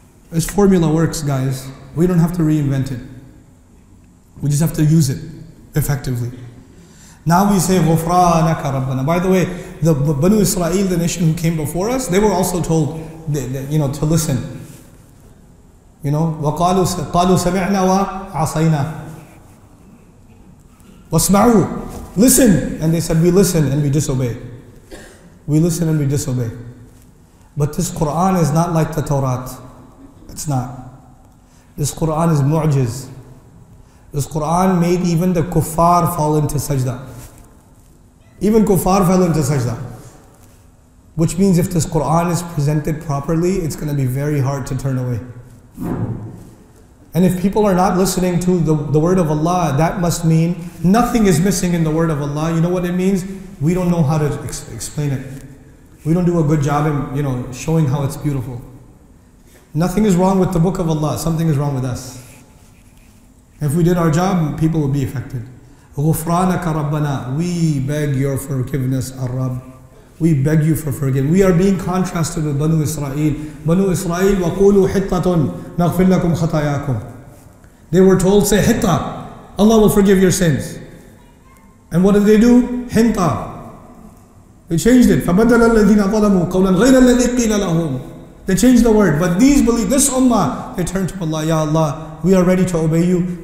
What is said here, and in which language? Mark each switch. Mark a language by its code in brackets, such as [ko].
[en] This formula works, guys. We don't have to reinvent it. We just have to use it effectively. Now we say [ar] ghufranaka rabbana. [en] By the way, the Banu Israel, the nation who came before us, they were also told to listen. You know, [ar] وَقَالُوا سَمِعْنَا وَعَصَيْنَا وَاسْمَعُوا. [en] Listen! And they said, we listen and we disobey. We listen and we disobey. But this Qur'an is not like the Torah. It's not. This Qur'an is mu'jiz. This Qur'an made even the kuffar fall into sajda. Even kuffar fell into sajda. Which means if this Qur'an is presented properly, it's going to be very hard to turn away. And if people are not listening to the word of Allah, that must mean nothing is missing in the word of Allah. You know what it means? We don't know how to explain it. We don't do a good job in showing how it's beautiful. Nothing is wrong with the book of Allah, something is wrong with us. If we did our job, people would be affected. [ar] غُفْرَانَكَ رَبَّنَا. [en] We beg your forgiveness, Ar-Rabb. We beg you for forgiveness. We are being contrasted with Banu Israel. Banu Israel, [ar] وَقُولُوا حِطَّةٌ نَغْفِرْ لَكُمْ خَطَايَاكُمْ. [en] They were told, say, Hitta, Allah will forgive your sins. And what did they do? Hinta. They changed it. [ar] فَبَدَّلَ الَّذِينَ ظَلَمُوا قَوْلًا غَيْرَ الَّذِي قِيلَ لَهُمْ. [en] They changed the word. But these believe, this Ummah, they turned to Allah, Ya Allah, we are ready to obey you.